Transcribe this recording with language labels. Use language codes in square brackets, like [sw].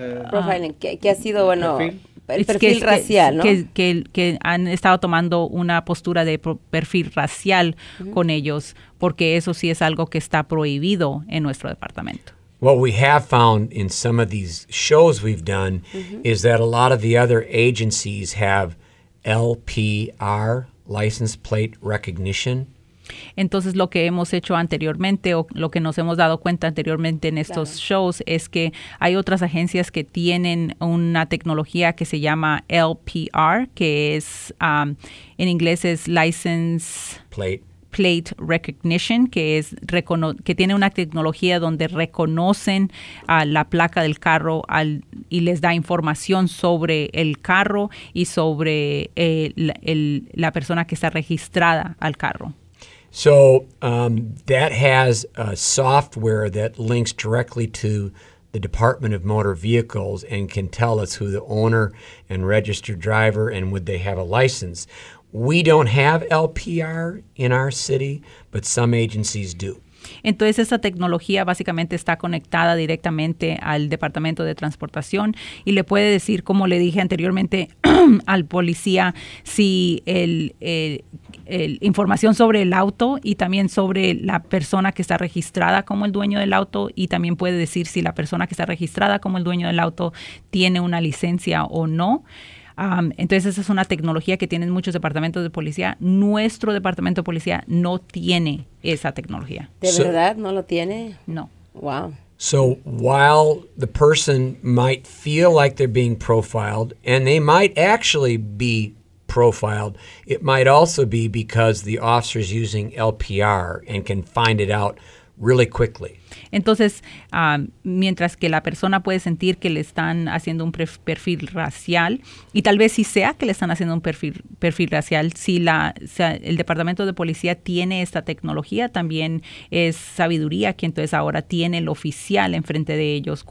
[es] Profiling, que ha sido, bueno, el perfil racial, ¿no? Que han estado tomando una postura de perfil racial con ellos, porque eso sí es algo que está prohibido en nuestro departamento. [en] What we have found in some of these shows we've done is that a lot of the other agencies have LPR, license plate recognition. [es] Entonces, lo que hemos hecho anteriormente o lo que nos hemos dado cuenta anteriormente en estos shows es que hay otras agencias que tienen una tecnología que se llama LPR, que es, en inglés es License [en] Plate [es] Recognition, que es que tiene una tecnología donde reconocen la placa del carro y les da información sobre el carro y sobre la persona que está registrada al carro. [en] So that has a software that links directly to the Department of Motor Vehicles and can tell us who the owner and registered driver and would they have a license. We don't have LPR in our city, but some agencies do. [es] Entonces, esta tecnología básicamente está conectada directamente al Departamento de Transportación y le puede decir, como le dije anteriormente, al policía si el información sobre el auto y también sobre la persona que está registrada como el dueño del auto y también puede decir si la persona que está registrada como el dueño del auto tiene una licencia o no. Entonces, esa es una tecnología que tienen muchos departamentos de policía. Nuestro departamento de policía no tiene esa tecnología. ¿De verdad no lo tiene? No. Wow. [en] So, while the person might feel like they're being profiled, and they might actually be profiled, it might also be because the officer is using LPR and can find it out really quickly. [es] Entonces, mientras que la persona puede sentir que le están haciendo un perfil racial, y tal vez sí sea que le están haciendo un perfil racial, el departamento de policía tiene esta tecnología, también es sabiduría que entonces ahora tiene el oficial enfrente de ellos.